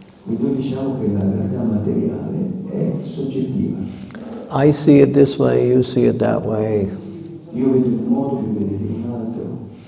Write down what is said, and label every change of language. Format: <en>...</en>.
<it>E noi diciamo che la realtà materiale è soggettiva.</it> <en>I see it this way, you see it that way.</en> <it>Io vedo in un modo, tu vedi in un altro.</it>